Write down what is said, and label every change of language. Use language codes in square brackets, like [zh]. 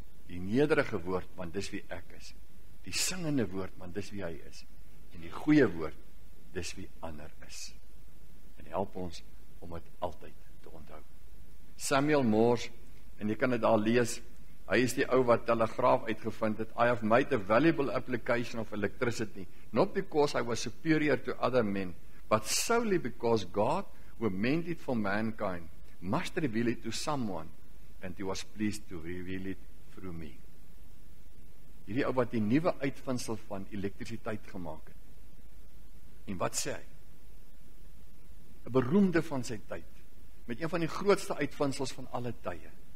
[af] Die nederige woord, want dis wie ek is. Die singende woord, want dis wie hy is. En die goeie woord, dis wie ander is. En help ons om dit altyd te onthou. Samuel Moors, en jy kan dit al lees, Hy is die ou wat telegraaf uitgevind het. [en] I have made a valuable application of electricity, not because I was superior to other men, but solely because God, who meant it for mankind, must reveal it to someone, and he was pleased to reveal it through me. [af] Hierdie ou wat die nuwe uitvinsel van elektrisiteit gemaak het. En wat sê hy? 'N beroemde van sy tyd, met een van die grootste uitvinsels van alle tye.